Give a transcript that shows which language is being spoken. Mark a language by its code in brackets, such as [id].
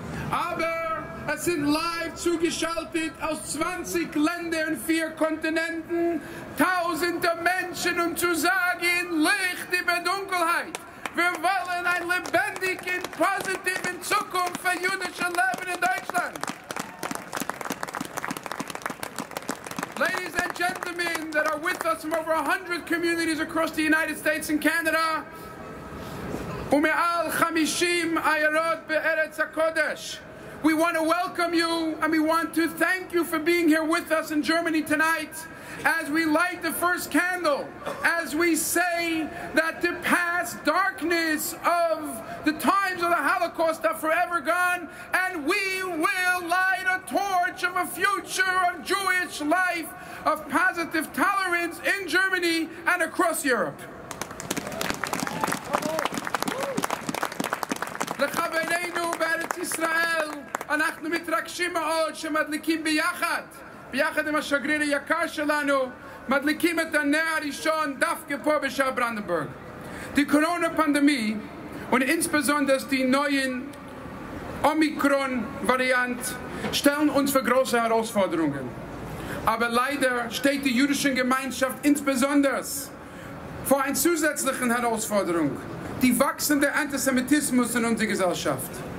[de] Aber es sind live zugeschaltet aus 20 Ländern, 4 Kontinenten, tausende Menschen, um zu sagen, Licht über Dunkelheit. Wir wollen eine lebendige, positive Zukunft für jüdische Leben in Deutschland. [en] Ladies and gentlemen that are with us from over 100 communities across the United States and Canada, [he] ומעל 50 עיירות בארץ הקודש, [en] we want to welcome you and we want to thank you for being here with us in Germany tonight as we light the first candle, as we say that the past darkness of the times of the Holocaust are forever gone, and we will light a torch of a future of Jewish life of positive tolerance in Germany and across Europe. [he] לחברינו בארץ ישראל, אנחנו מתרגשים מאוד שמדליקים ביחד, ביחד עם השגריר היקר שלנו, מדליקים את הנר הראשון דווקא פה בשער ברנדנבורג. [de] Die Corona-Pandemie und insbesondere die neuen Omikron-Variante stellen uns für große Herausforderungen. Aber leider steht die jüdische Gemeinschaft insbesondere vor einer zusätzlichen Herausforderung, die wachsende Antisemitismus in unserer Gesellschaft.